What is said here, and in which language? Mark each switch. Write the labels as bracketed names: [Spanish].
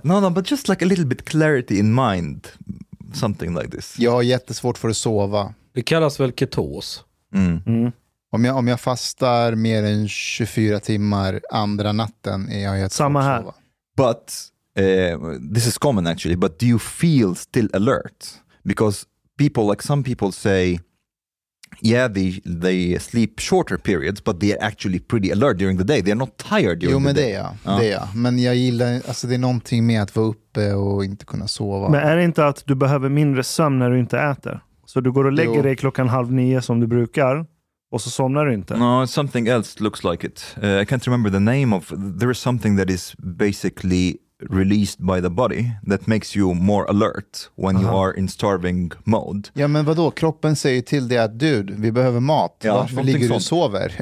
[English] No, but just like a little bit clarity in mind. Something like this. [Swedish] Jag har jättesvårt för att sova. Det kallas väl ketos? Om jag fastar mer än 24 timmar andra natten är jag helt samma här. [English] But this is common actually, but do you feel still alert? Because people, like some people say, yeah, they sleep shorter periods, but they are actually pretty alert during the day. They are not tired during the day. [Swedish] Jo, men det är jag. Men jag gillar, alltså det är någonting med att vara uppe och inte kunna sova. Men är det inte att du behöver mindre sömn när du inte äter? Så du går och lägger dig klockan 8:30 som du brukar, och så somnar du inte? [English] No, something else looks like it. I can't remember the name of, there is something that is basically released by the body that makes you more alert when you are in starving mode. [Swedish] Ja, men vadå? Kroppen säger till dig att dude, vi behöver mat. Ja, varför ligger du och sover?